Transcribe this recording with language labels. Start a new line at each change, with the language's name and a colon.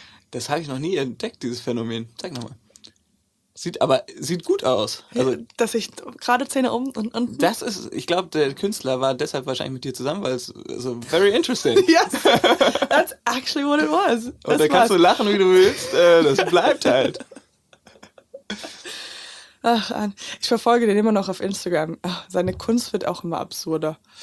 German: Das habe ich noch nie entdeckt, dieses Phänomen. Zeig nochmal. Sieht gut aus. Also, ja, dass ich gerade Zähne oben und unten. Das ist, ich glaube, der Künstler war deshalb wahrscheinlich mit dir zusammen, weil es so
English: very interesting. Yes, that's actually what it was.
German: Und da kannst du lachen, wie du willst. Das bleibt halt. Ach, ich verfolge den immer noch auf Instagram. Ach, seine Kunst wird auch immer absurder.